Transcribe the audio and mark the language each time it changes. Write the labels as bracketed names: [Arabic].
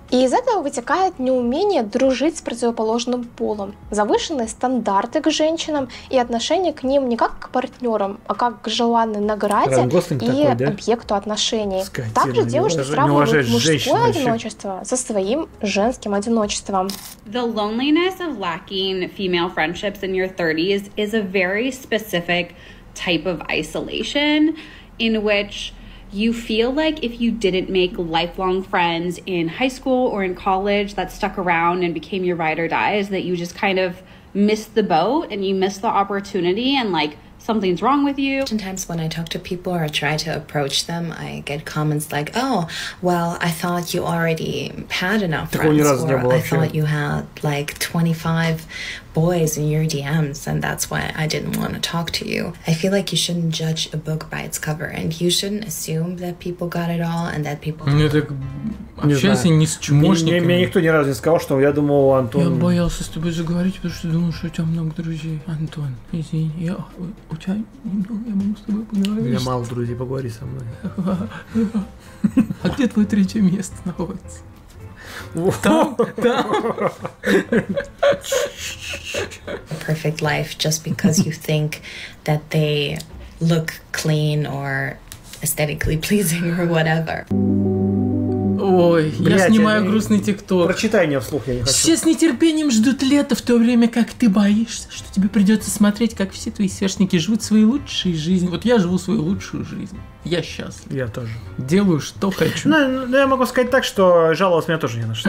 [Russian] И из этого вытекает неумение дружить с противоположным полом, завышенные стандарты к женщинам и отношение к ним не как к партнерам, а как к желанной награде и такой, да? Объекту отношений. Скотина. Также девушки сравнивают мужское одиночество со своим женским одиночеством. [English] The loneliness of lacking female friendships in your 30s is a very specific type of isolation in which you feel like if you didn't make lifelong friends in high school or in college that stuck around and became your ride or dies, that you just kind of missed the boat and you missed the opportunity and like something's wrong with you. Sometimes when I talk to people or try to approach them, I get comments like, oh, well, I thought you already had enough friends, or I thought you had like 25 boys in your DMs and that's why I didn't want to talk to you. I feel like you shouldn't judge a book by its cover and you shouldn't assume that people got it all and that people... [Russian] Мне так... Общайся не с чумошниками. Мне никто ни разу не сказал, что я думал, Антон... Я боялся с тобой заговорить, потому что думал, что у тебя много друзей. Антон, извини, я... У тебя немного, я могу с тобой поговорить. У меня мало друзей, поговори со мной. А где твое третье место находится? [English] Perfect life just because you think that they look clean or aesthetically pleasing or whatever. [Russian] Ой, блять, я снимаю грустный тикток. Прочитай мне вслух, я не хочу. Все с нетерпением ждут лета, в то время как ты боишься, что тебе придется смотреть, как все твои сверстники живут свои лучшие жизни. Вот я живу свою лучшую жизнь. Я счастлив. Я тоже. Делаю, что хочу. Ну, я могу сказать так, что жаловаться меня тоже не на что.